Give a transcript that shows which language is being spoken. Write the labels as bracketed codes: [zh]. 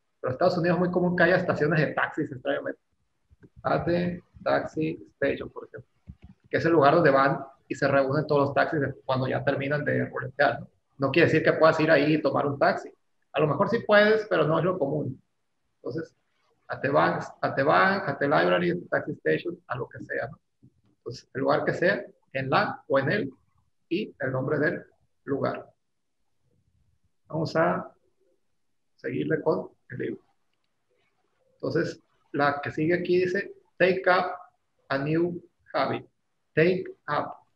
[es] Pero en Estados Unidos es muy común que haya estaciones de taxis, extrañamente. [en] At the taxi station, [es] por ejemplo. Que es el lugar donde van y se reúnen todos los taxis cuando ya terminan de boletear. ¿No? No quiere decir que puedas ir ahí y tomar un taxi. A lo mejor sí puedes, pero no es lo común. Entonces, [en] at the bank, at the library, at the taxi station, [es] a lo que sea. ¿No? Entonces, el lugar que sea, en la o en el, y el nombre del lugar. Vamos a seguirle con el libro. Entonces, la que sigue aquí dice, [en] take up a new habit. Take up.